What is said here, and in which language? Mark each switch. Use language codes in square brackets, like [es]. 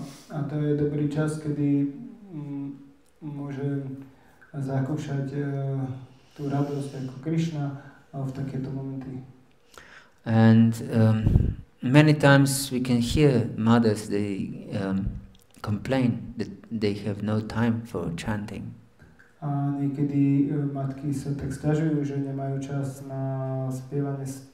[sk] A to je dobrý čas, kedy môže zakúšať tú radosť ako Krishna v takéto momenty. [en] And many times we can hear mothers, they complain that they have no time for chanting. [sk] A niekedy matky sa tak stiažujú, že nemajú čas na spievanie.